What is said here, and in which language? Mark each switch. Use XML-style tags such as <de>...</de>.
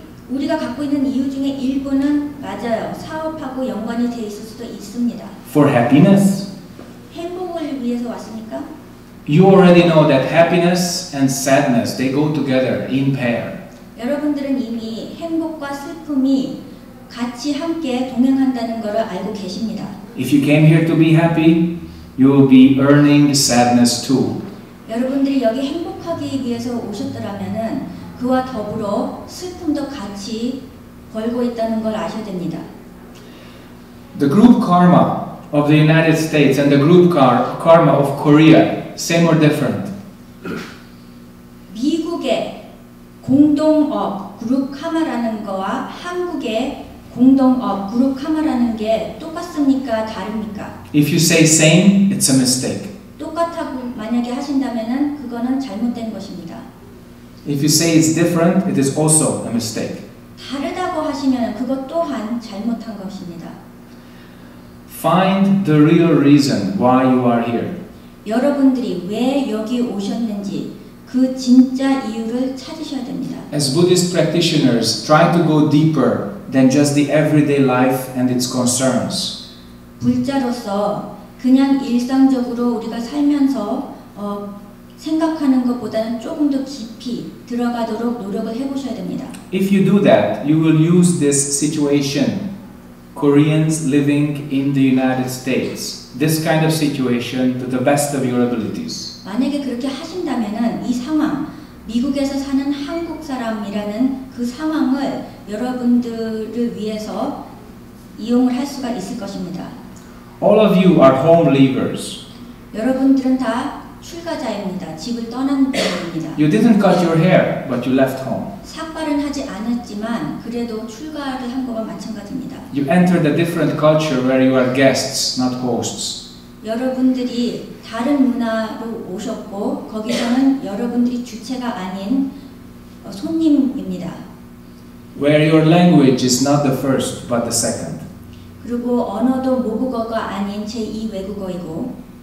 <ko>우리가 갖고 있는 이유 중에 일부는 맞아요. 사업하고 연관이 돼 있을 수도 있습니다.</ko> <en>For happiness?</en> <ko>행복을 위해서 왔습니까?</ko> <en>You already know that happiness and sadness, they go together in pair.</en> <ko>여러분들은 이미 행복과 슬픔이 같이 함께 동행한다는 걸 알고 계십니다.</ko> <en>If you came here to be happy, you will be earning sadness too.</en> <ko>여러분들이 여기 행복하기 위해서 오셨더라면은 그와 더불어 슬픔도 같이 벌고 있다는 걸 아셔야 됩니다.</ko> <en>The group karma of the United States and the group karma of Korea, same or different?</en> <ko>미국의 공동업 그룹 카마라는 거와 한국의 공동업 그룹 카마라는 게 똑같습니까? 다릅니까?</ko> <en>If you say same, it's a mistake.</en> <ko>똑같다고 만약에 하신다면은 그거는 잘못된 것입니다.</ko> <en>If you say it's different, it is also a mistake.</en> <ko>다르다고 하시면 그것 또한 잘못한 것입니다.</ko> <en>Find the real reason why you are here.</en> <ko>여러분들이 왜 여기 오셨는지 그 진짜 이유를 찾으셔야 됩니다.</ko> <en>As Buddhist practitioners, try to go deeper than just the everyday life and its concerns.</en> <ko>불자로서 그냥 일상적으로 우리가 살면서 생각하는 것보다는 조금 더 깊이 들어가도록 노력을 해보셔야 됩니다.</ko> <en>If you do that, you will use this situation, Koreans living in the United States, this kind of situation to the best of your abilities.</en> <ko>만약에 그렇게 하신다면은 이 상황, 미국에서 사는 한국 사람이라는 그 상황을 여러분들을 위해서 이용을 할 수가 있을 것입니다.</ko> <en>All of you are home leavers.</en> <ko>여러분들은 다 출가자입니다. 집을 떠난 분입니다.</ko> <en>You didn't cut your hair, but you left home.</en> <ko>삭발은 하지 않았지만 그래도 출가를 한 거와 마찬가지입니다.</ko> <en>You entered a different culture where you are guests, not hosts.</en> <ko>여러분들이 다른 문화로 오셨고 거기서는 여러분들이 주체가 아닌 손님입니다.</ko> <en>Where your language is not the first, but the second.</en> <ko>그리고 언어도 모국어가 아닌 제2 외국어이고</ko>